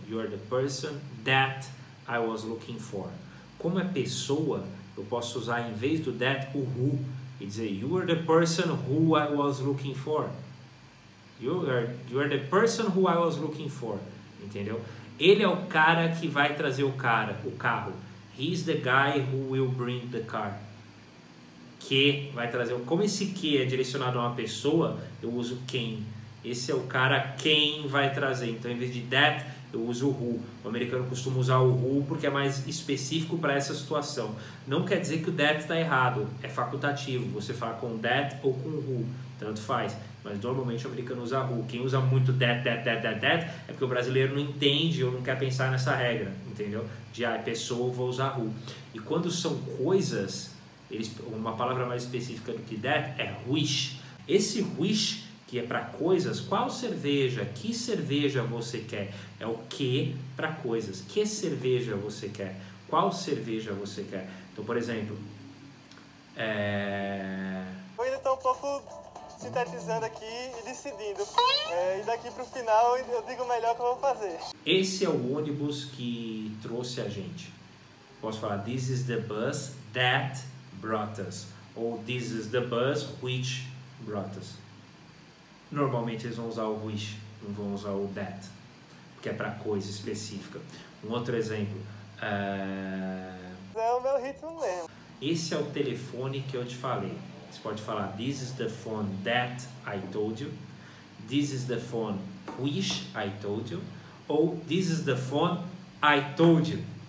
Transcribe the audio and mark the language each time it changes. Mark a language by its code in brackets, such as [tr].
[en] You are the person that I was looking for. [pt] Como é pessoa, eu posso usar em vez do that o who e dizer [en] you are the person who I was looking for. You are the person who I was looking for. [pt] Entendeu? Ele é o cara que vai trazer o cara, o carro. [en] He's the guy who will bring the car. [pt] Que vai trazer. Como esse que é direcionado a uma pessoa, eu uso quem. Esse é o cara quem vai trazer. Então, em vez de that, eu uso who. O americano costuma usar o who porque é mais específico para essa situação. Não quer dizer que o that está errado. É facultativo. Você fala com that ou com who. Tanto faz. Mas normalmente o americano usa who. Quem usa muito that é porque o brasileiro não entende ou não quer pensar nessa regra. Entendeu? De a pessoa, vou usar who. E quando são coisas, uma palavra mais específica do que that é wish. Esse wish, que é para coisas, qual cerveja, que cerveja você quer? É o que para coisas. Que cerveja você quer? Qual cerveja você quer? Então, por exemplo, Eu ainda estou um pouco sintetizando aqui e decidindo. E daqui para o final eu digo melhor o que eu vou fazer. esse é o ônibus que trouxe a gente. Posso falar, [en] this is the bus that brought us, [pt] ou [en] this is the bus which brought us. [pt] Normalmente eles vão usar o which, não vão usar o that, que é para coisa específica. Um outro exemplo. É o meu ritmo mesmo. Esse é o telefone que eu te falei. Você pode falar, [en] this is the phone that I told you, this is the phone which I told you, [pt] ou [en] this is the phone I told you.